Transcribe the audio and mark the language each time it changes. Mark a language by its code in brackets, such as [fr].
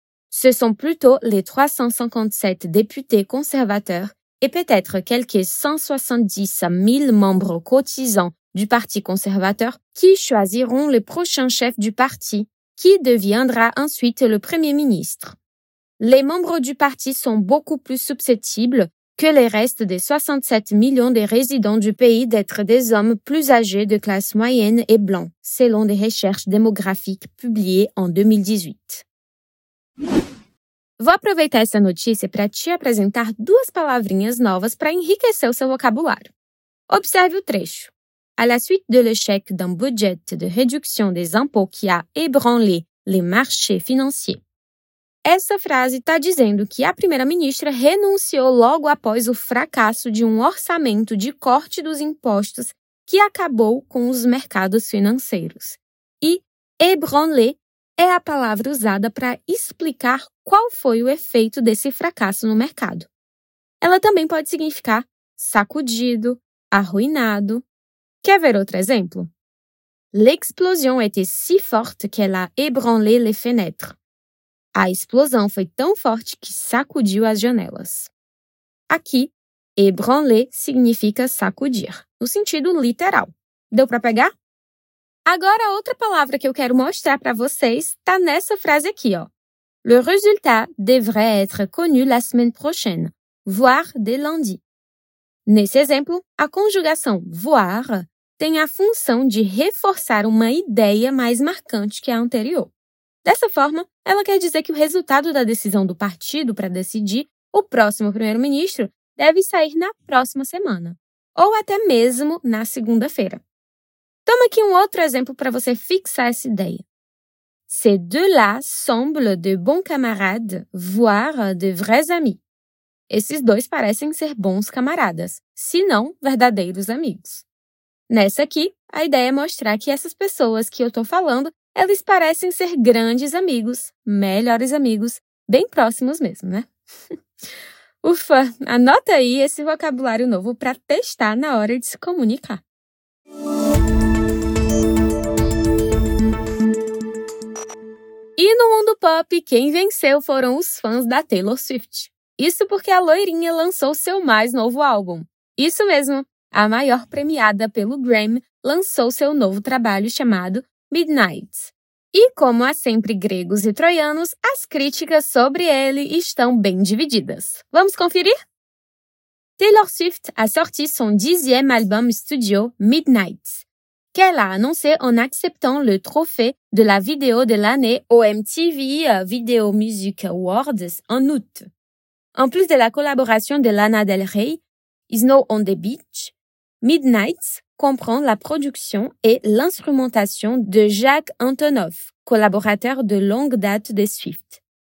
[fr] Ce sont plutôt les 357 députés conservateurs et peut-être quelques 170 000 membres cotisants du Parti conservateur qui choisiront le prochain chef du parti, qui deviendra ensuite le Premier ministre. Les membres du parti sont beaucoup plus susceptibles que les restes des 67 millions des résidents du pays d'être des hommes plus âgés de classe moyenne et blancs, selon des recherches démographiques publiées en 2018. [pt] Vou aproveitar essa notícia para te apresentar 2 palavrinhas novas para enriquecer o seu vocabulário. Observe o trecho. [fr] À la suite de l'échec d'un budget de réduction des impôts qui a ébranlé les marchés financiers. [pt] Essa frase está dizendo que a primeira-ministra renunciou logo após o fracasso de um orçamento de corte dos impostos que acabou com os mercados financeiros. E ébranlé é a palavra usada para explicar qual foi o efeito desse fracasso no mercado. Ela também pode significar sacudido, arruinado. Quer ver outro exemplo? [fr] L'explosion était si forte qu'elle a ébranlé les fenêtres. [pt] A explosão foi tão forte que sacudiu as janelas. Aqui, ébranler significa sacudir, no sentido literal. Deu para pegar? Agora, outra palavra que eu quero mostrar para vocês está nessa frase aqui, ó. [fr] Le résultat devrait être connu la semaine prochaine, voire dès lundi. [pt] Nesse exemplo, a conjugação voir tem a função de reforçar uma ideia mais marcante que a anterior. Dessa forma, ela quer dizer que o resultado da decisão do partido para decidir o próximo primeiro-ministro deve sair na próxima semana, ou até mesmo na segunda-feira. Toma aqui um outro exemplo para você fixar essa ideia. [fr] Ces deux-là semblent de bons camarades, voire de vrais amis. [pt] Esses dois parecem ser bons camaradas, se não verdadeiros amigos. Nessa aqui, a ideia é mostrar que essas pessoas que eu estou falando, eles parecem ser grandes amigos, melhores amigos, bem próximos mesmo, né? Ufa, anota aí esse vocabulário novo para testar na hora de se comunicar. E no mundo pop, quem venceu foram os fãs da Taylor Swift. Isso porque a loirinha lançou seu mais novo álbum. Isso mesmo, a maior premiada pelo Grammy lançou seu novo trabalho chamado Midnights. E como há sempre gregos e troianos, as críticas sobre ele estão bem divididas. Vamos conferir? [fr] Taylor Swift a sorti son 10e album studio Midnights, qu'elle a annoncé en acceptant le trophée de la vidéo de l'année au MTV Video Music Awards en août. En plus de la collaboration de Lana Del Rey, Snow on the Beach, Midnights comprend la production et l'instrumentation de Jacques Antonoff, collaborateur de longue date de Swift.